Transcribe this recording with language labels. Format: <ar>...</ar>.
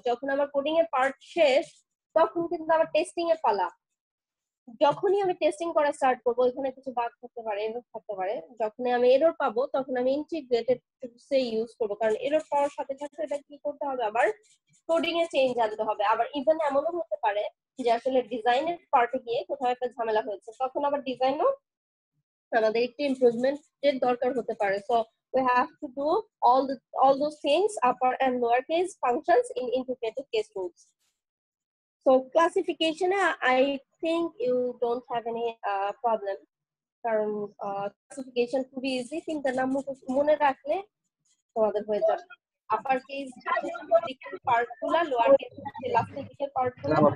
<bn>যখন আমার কোডিং এর পার্ট শেষ তখন কিন্তু আমার টেস্টিং এর পালা, যখনই আমি টেস্টিং করা স্টার্ট করবো এখানে কিছু বাগ থাকতে পারে, এরর থাকতে পারে, যখনই আমি এরর পাবো তখন আমি ইন্টিগ্রেটেড টুলসে ইউজ করব, কারণ এরর পাওয়ার সাথে সাথে এটা কি করতে হবে আবার কোডিং এ চেঞ্জ আনতে হবে। আবার ইভেন এমনও হতে পারে যে আসলে ডিজাইনের পার্টে গিয়ে কোথাও একটা ঝামেলা হয়েছে, তখন আবার ডিজাইনও আমাদের একটু ইমপ্রুভমেন্টের দরকার হতে পারে।</bn> <en>So we have to do all those things upper and lower case functions in integrated case tools. So classification I think you don't have any problem,</en> <bn>কারণ classification খুব easy, কিন্তু তার নাম মনে রাখলে তোমাদের হয়ে যাবে upper case দিকের পার্টগুলো, lower case লাস্টের দিকের পার্টগুলো।</bn>